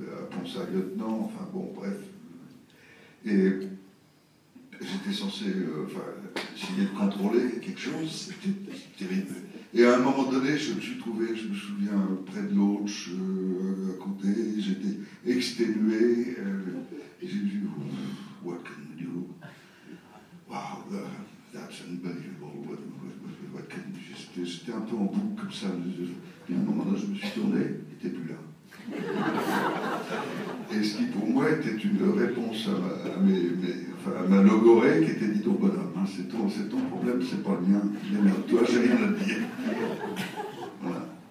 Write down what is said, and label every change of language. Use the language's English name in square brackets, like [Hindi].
[French] comme ça, lieutenant, enfin bon, bref. Et j'étais censé essayer de contrôler quelque chose, c'était terrible. Et à un moment donné, je me suis trouvé, je me souviens, près de l'Auch, à côté, j'étais exténué, et j'ai dit, [English] what can we do? Wow, that's unbelievable, what can we do? [French] J'étais un peu en boucle comme ça, et à un moment donné, je me suis tourné, il n'était plus là. Et ce qui pour moi était une réponse à ma logorée qui était dit ton bonhomme, hein, c'est ton problème, c'est pas le mien, mais non, toi j'ai rien à te dire. Voilà.